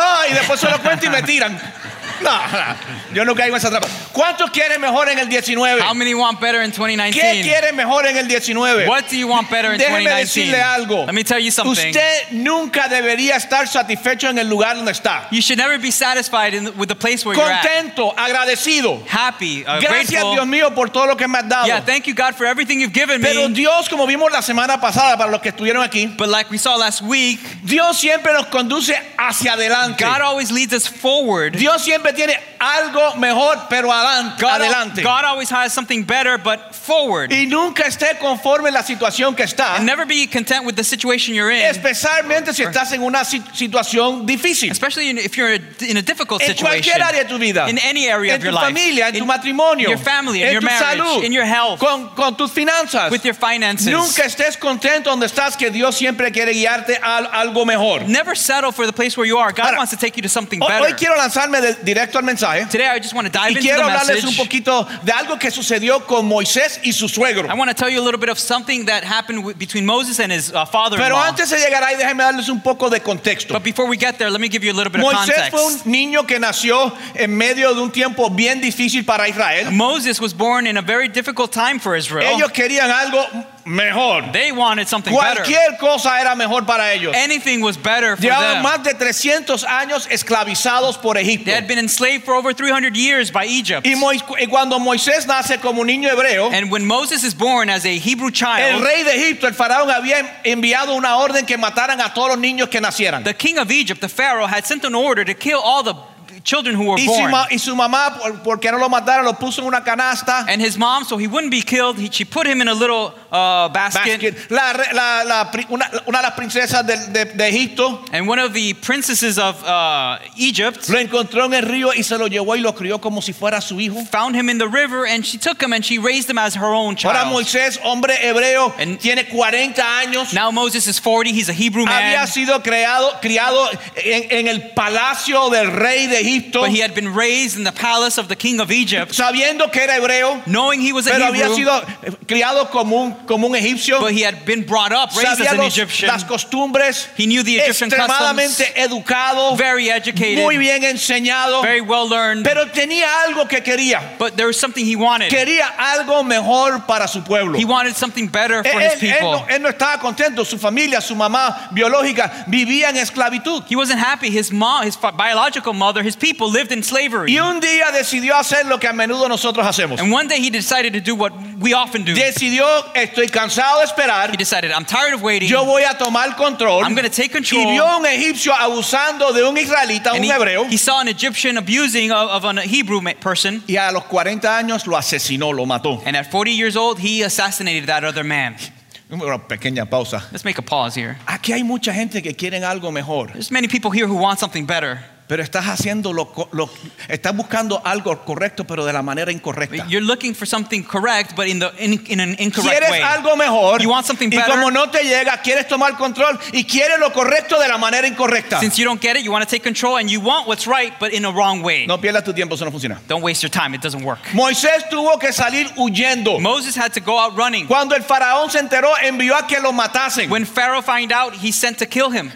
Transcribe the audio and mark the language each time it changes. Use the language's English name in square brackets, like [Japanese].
[Spanish] Y después se lo cuento y me tiran. No, yo no caigo en esa trampa. ¿Cuántos quieren mejor en el 19? [English] How many want better in 2019? [Spanish] ¿Qué quieren mejor en el 19? [English] What do you want better in 2019? [Spanish] Déjeme decirle algo. [English] Let me tell you something. [Spanish] Usted nunca debería estar satisfecho en el lugar donde está. [English] You should never be satisfied with the place where [Spanish] contento, [English] you're at. [Spanish] Contento, agradecido. [English] Happy, [Spanish] gracias [English] grateful. [Spanish] Dios mío por todo lo que me has dado. [English] Yeah, thank you God for everything you've given me. [Spanish] Pero Dios, como vimos la semana pasada para los que estuvieron aquí, [English] but like we saw last week, [Spanish] Dios siempre nos conduce hacia adelante. [English] God always leads us forward. [Spanish] Dios siempre tiene algo mejor, pero adelante. [English] God always has something better, but forward. [Spanish] Y nunca esté conforme la situación que está. [English] And never be content with the situation you're in. [Spanish] Especialmente si estás en una situación difícil. [English] Especially if you're in a difficult situation. [Spanish] En cualquier área de tu vida. [English] In any area of your life. [Spanish] En tu familia, en tu matrimonio. [English] In your family, in your marriage. [Spanish] En tu salud. [English] In your health. [Spanish] Con tus finanzas. [English] With your finances. [Spanish] Nunca estés contento donde estás, que Dios siempre quiere guiarte a algo mejor. [English] Never settle for the place where you are. God wants to take you to something better. [Spanish] Hoy quiero lanzarme del directo al mensaje. [English] Today I just want to dive into the message. [Spanish] Y quiero hablarles un poquito de algo que sucedió con Moisés y su suegro. [English] I want to tell you a little bit of something that happened between Moses and his father-in-law. [Spanish] Pero antes de llegar ahí, déjeme darles un poco de contexto. [English] But before we get there, let me give you a little bit [Spanish] Moisés [English] of context. [Spanish] Moisés fue un niño que nació en medio de un tiempo bien difícil para Israel. [English] Moses was born in a very difficult time for Israel. [Spanish] Ellos querían algo mejor. [English] They wanted something [Spanish] cualquier [English] better. [Spanish] Cosa era mejor para ellos. [English] Anything was better for [Spanish] llevaban [English] them. [Spanish] Más de 300 años esclavizados por Egipto. [English] They had been enslaved for over 300 years by Egypt. [Spanish] Y cuando Moisés nace como un niño hebreo, [English] and when Moses is born as a Hebrew child, [Spanish] el rey de Egipto, el faraón, había enviado una orden que mataran a todos los niños que nacieran. [English] The king of Egypt, the Pharaoh, had sent an order to kill all the children who were born. [Spanish] Y su mamá, porque no lo mataron, lo puso en una canasta. [English] And his mom, so he wouldn't be killed, she put him in a little basket. [Spanish] Una de las princesas de Egipto. [English] And one of the princesses of Egypt. [Spanish] Lo encontró en el río y se lo llevó y lo crió como si fuera su hijo. [English] Found him in the river and she took him and she raised him as her own child. [Spanish] Ahora Moisés, hombre hebreo, and tiene 40 años. [English] Now Moses is 40, he's a Hebrew man. [Spanish] Había sido criado en el palacio del rey de Egipto. [English] But he had been raised in the palace of the king of Egypt. [Spanish] Sabiendo que era hebreo, [English] knowing he was a [Spanish] pero [English] Hebrew. [Spanish] Pero había sido criado como un egipcio. [English] But he had been brought up, raised [Spanish] sabía [English] as an Egyptian. [Spanish] Las costumbres. [English] He knew the Egyptian customs. [Spanish] Extremadamente educado. [English] Very educated. [Spanish] Muy bien enseñado. [English] Very well learned. [Spanish] Pero tenía algo que quería. [English] But there was something he wanted. [Spanish] Quería algo mejor para su pueblo. [English] He wanted something better for his people. [Spanish] Él no estaba contento. Su familia, su mamá biológica, vivía en esclavitud. [English] He wasn't happy. His mom, his biological mother, his people lived in slavery. [Spanish] Y un día decidió hacer lo que a menudo nosotros hacemos. [English] And one day he decided to do what we often do. [Spanish] Decidió, estoy cansado de esperar. [English] He decided, I'm tired of waiting. [Spanish] Yo voy a tomar control. [English] I'm going to take control. [Spanish] Y vio un egipcio abusando de un israelita, [English] and [Spanish] un hebreo. [English] He saw an Egyptian abusing of a Hebrew person. [Spanish] Y a los 40 años lo asesinó, lo mató. [English] And at 40 years old, he assassinated that other man. [Spanish] Una pequeña pausa. [English] Let's make a pause here. [Spanish] Aquí hay mucha gente que quieren algo mejor. [English] There's many people here who want something better. [Spanish] Pero estás haciendo lo estás buscando algo correcto, pero de la manera incorrecta. [English] You're looking for something correct, but in an incorrect [Spanish] quieres [English] way. [Spanish] Quieres algo mejor. [English] You want something better. [Spanish] Y como no te llega, quieres tomar control y quieres lo correcto de la manera incorrecta. [English] Since you don't get it, you want to take control and you want what's right, but in a wrong way. [Spanish] No pierdas tu tiempo, eso no funciona. [English] Don't waste your time; it doesn't work. [Spanish] Moisés tuvo que salir huyendo. [English] Moses had to go out running. [Spanish] Cuando el faraón se enteró, envió a que lo matasen. [English] When Pharaoh found out, he sent to kill him.